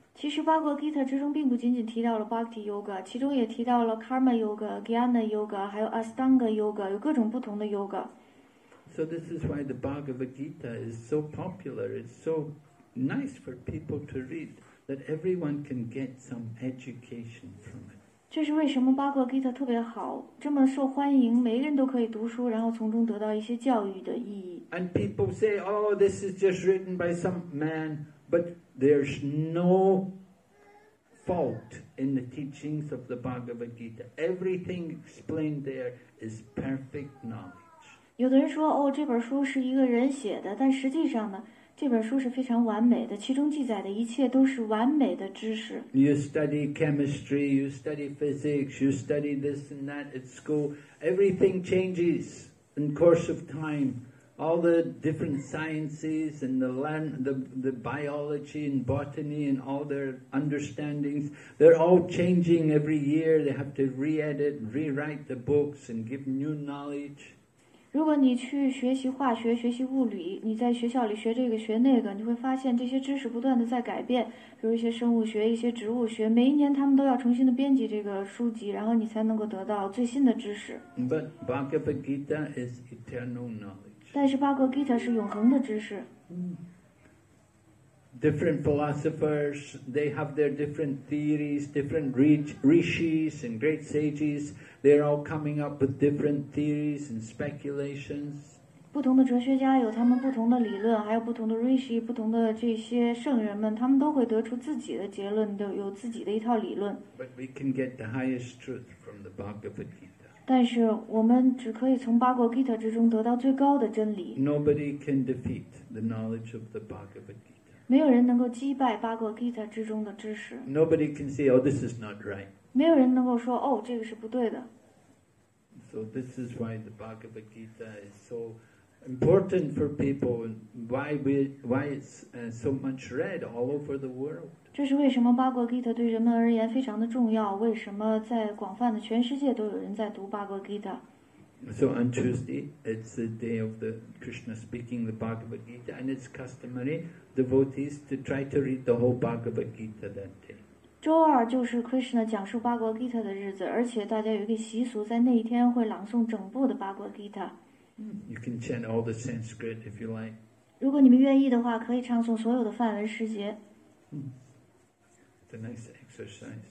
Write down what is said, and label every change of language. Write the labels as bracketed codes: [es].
[zh] 其实巴格吉塔之中并不仅仅提到了 Bhakti Yoga， 其中也提到了 Karma Yoga、Jnana Yoga， 还有 Astanga Yoga， 有各种不同的 Yoga。 [en] So this is why the Bhagavad Gita is so popular. It's so nice for people to read that everyone can get some education from it. [zh] 这是为什么巴格吉塔特别好，这么受欢迎，每个人都可以读书，然后从中得到一些教育的意义。 [en] And people say, "Oh, this is just written by some man," but There's no fault in the teachings of the Bhagavad Gita. Everything explained there is perfect knowledge. [zh] 有的人说，哦，这本书是一个人写的，但实际上呢，这本书是非常完美的，其中记载的一切都是完美的知识。 [en] You study chemistry, you study physics, you study this and that at school. Everything changes in course of time. All the different sciences and the biology and botany and all their understandings, they're all changing every year. They have to re-edit, rewrite the books and give new knowledge. [zh] 如果你去学习化学、学习物理，你在学校里学这个、学那个，你会发现这些知识不断的在改变。比如一些生物学、一些植物学，每一年他们都要重新的编辑这个书籍，然后你才能够得到最新的知识。 [en] But Bhagavad Gita is eternal knowledge. [zh] 但是巴格吉塔是永恒的知识。 [en] Different philosophers, they have their different theories, different rishis and great sages, they're all coming up with different theories and speculations. [zh] 不同的哲学家有他们不同的理论，还有不同的 rishi, 不同的这些圣人们，他们都会得出自己的结论，都有自己的一套理论。 [en] But we can get the highest truth from the Bhagavad Gita. [zh] 但是我们只可以从巴格吉塔之中得到最高的真理。 [en] Nobody can defeat the knowledge of the Bhagavad Gita. [zh] 没有人能够击败巴格吉塔之中的知识。 [en] Nobody can say, "Oh, this is not right." [zh] 没有人能够说，哦，这个是不对的。 [en] So this is why the Bhagavad Gita is so important for people, and why it's so much read all over the world. [zh] 这是为什么巴格吉塔对人们而言非常的重要，为什么在广泛的全世界都有人在读巴格吉塔。 [en] So on Tuesday, it's the day of the Krishna speaking the Bhagavad Gita, and it's customary devotees to try to read the whole Bhagavad Gita that day. [zh] 周二就是 Krishna 讲述巴格吉塔的日子，而且大家有一个习俗，在那一天会朗诵整部的巴格吉塔。 [en] You can chant all the Sanskrit if you like. [zh] 如果你们愿意的话，可以唱诵所有的梵文诗节。 [en] The nice exercise.